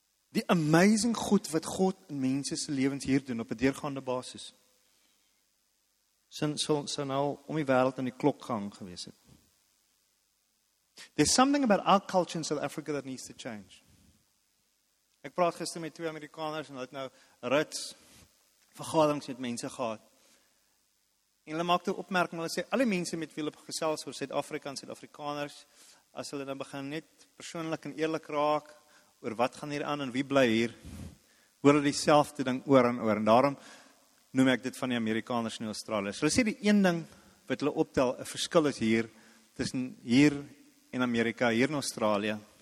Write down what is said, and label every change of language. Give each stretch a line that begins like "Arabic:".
Afrikaans: Die amazing goed wat God in mense se lewens hier doen, op 'n deurgaande basis, sou nou om die wêreld in die klok gehang gewees het.
English: There's something about our culture in South Africa that needs to change.
Afrikaans: Ek praat gister met twee Amerikaners, en hulle het nou Ritz, vergaderings met mense gehad. En hulle maak toe opmerking, hulle sê, alle mense met wie hulle gesels oor Suid-Afrika en Suid-Afrikaners, as hulle dan begin net persoonlik en eerlik raak, oor wat gaan hier aan en wie bly hier, hoor hulle dieselfde ding oor en oor. En daarom noem ek dit van die Amerikaners en die Australiërs. Hulle sê die een ding wat hulle optel, een verskil is hier, tussen hier in Amerika, hier in Australië.